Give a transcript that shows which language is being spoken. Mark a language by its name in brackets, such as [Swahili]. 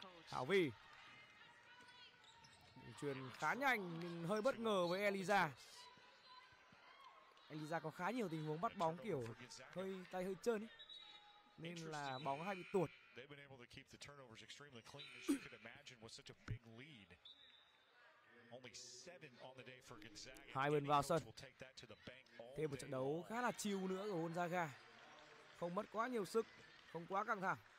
[Vietnamese] Thảo Vi truyền khá nhanh nhưng hơi bất ngờ với Eliza. Eliza có khá nhiều tình huống bắt bóng kiểu hơi tay hơi trơn ấy. Nên là bóng hay bị tuột. [English] They've been able to keep the turnovers extremely clean, as you could imagine, with such a big lead. Only 7 on the day for Gonzaga. [Vietnamese] Hai bên vào sân. Thêm một trận đấu khá là chill nữa của Gonzaga. Không mất quá nhiều sức, không quá căng thẳng.